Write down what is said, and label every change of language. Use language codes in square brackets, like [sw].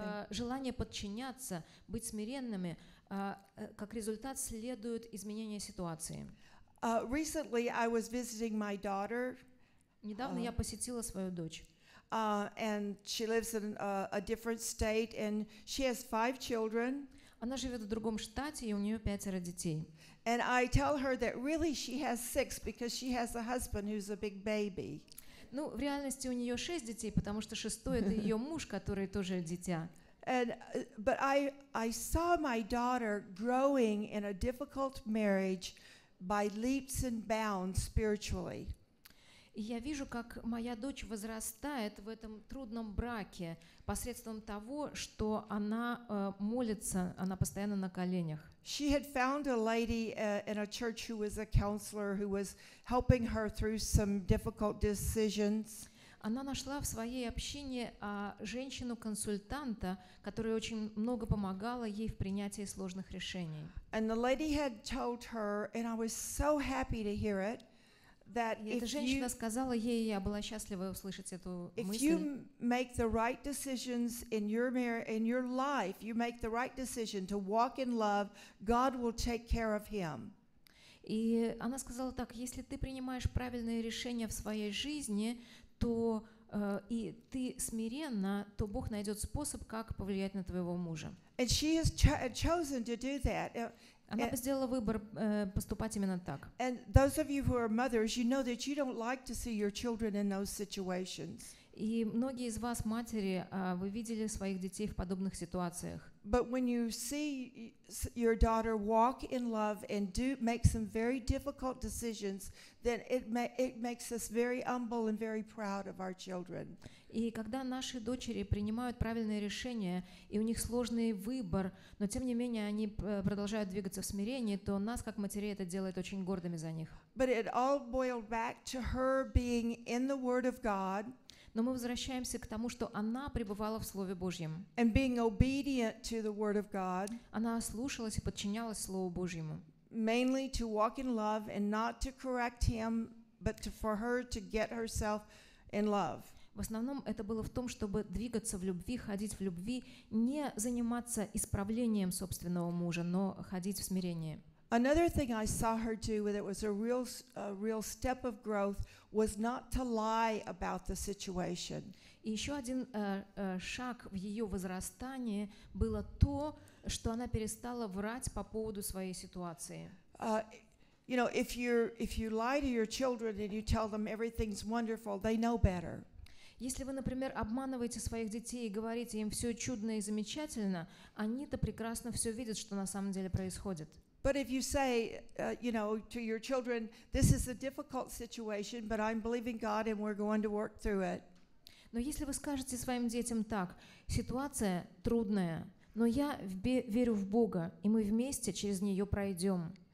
[ru] Желания подчиняться, быть смиренными, как результат следует изменение ситуации. [en] Recently, I was visiting my daughter. [ru] Недавно я посетила свою дочь. [en] And she lives in a different state, and she has 5 children. [ru] Она живет в другом штате, и у нее 5 детей. [en] And I tell her that really she has 6 because she has a husband who's a big baby. [ru] Ну, в реальности у неё 6 детей, потому что 6-й это её муж, который тоже дитя. [en] And but I saw my daughter growing in a difficult marriage by leaps and bounds spiritually. [ru] Я вижу, как моя дочь возрастает в этом трудном браке посредством того, что она молится, она постоянно на коленях. [en] She had found a lady in a church who was a counselor who was helping her through some difficult decisions. [ru] Она нашла в своей общине женщину-консультанта, которая очень много помогала ей в принятии сложных решений. [en] And the lady had told her, and I was so happy to hear it, that [ru] эта женщина сказала ей, я была счастлива услышать эту мысль. [en] If you make the right decisions in your life, you make the right decision to walk in love, God will take care of him. [ru] И она сказала так: если ты принимаешь правильные решения в своей жизни, то и ты смиренна, то Бог найдет способ, как повлиять на твоего мужа. [en] And she has chosen to do that. [ru] Она сделала выбор поступать именно так. [en] And those of you who are mothers, you know that you don't like to see your children in those situations. [ru] И многие из вас матери, вы видели своих детей в подобных ситуациях. [en] But when you see your daughter walk in love and do make some very difficult decisions, then it makes us very humble and very proud of our children. [ru] И когда наши дочери принимают правильные решения, и у них сложный выбор, но тем не менее они продолжают двигаться в смирении, то нас, как матерей, это делает очень гордыми за них. [en] But it all boiled back to her being in the Word of God. [ru] Но мы возвращаемся к тому, что она пребывала в Слове Божьем. [en] And being obedient to the Word of God. [ru] Она слушалась и подчинялась Слову Божьему. [en] Mainly to walk in love and not to correct him, but to, for her to get herself in love. [ru] В основном это было в том, чтобы двигаться в любви, ходить в любви, не заниматься исправлением собственного мужа, но ходить в смирении. [en] Another thing I saw her do, that was a real step of growth, was not to lie about the situation. [ru] И еще один шаг в ее возрастании было то, что она перестала врать по поводу своей ситуации. [en] You know, if you lie to your children and you tell them everything's wonderful, they know better. [ru] Если вы, например, обманываете своих детей и говорите им все чудно и замечательно, они-то прекрасно все видят, что на самом деле происходит. [en] But if you say, you know, to your children, this is a difficult situation, but I'm believing God and we're going to work through it. [ru] Но если вы скажете своим детям так: ситуация трудная, но я верю в Бога, и мы вместе через нее пройдем.